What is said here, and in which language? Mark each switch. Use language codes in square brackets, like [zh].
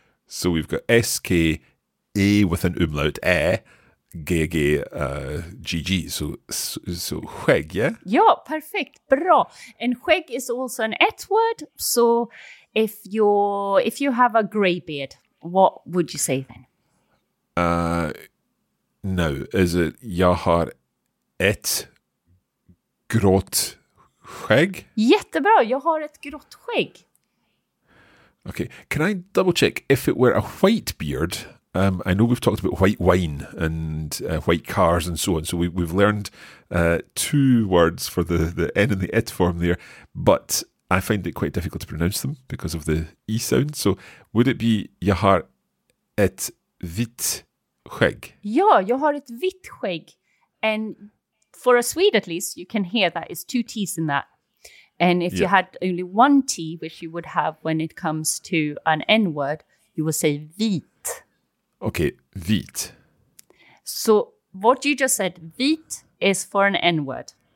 [en] So we've got S-K-A with an umlaut, E, G-G. So skägg, yeah? Ja, perfect. Bra. And skägg is also an ett word. So if you have a grey beard, what would you say then? Now, is it [sv] jag har ett grått skägg? Jättebra, jag har ett grått skägg. [en] Okay, can I double check? If it were a white beard, I know we've talked about white wine and white cars and so on, so we've learned two words for the N and the it form there, but I find it quite difficult to pronounce them because of the E sound. So would it be [sv] jag har ett vitt skägg? Ja, jag har ett vitt skägg. [en] And for a Swede, at least, you can hear that it's two T's in that. And if you had only one T, which you would have when it comes to an N word, you would say vit. Okay, vit. So what you just said, vit, is for an N word.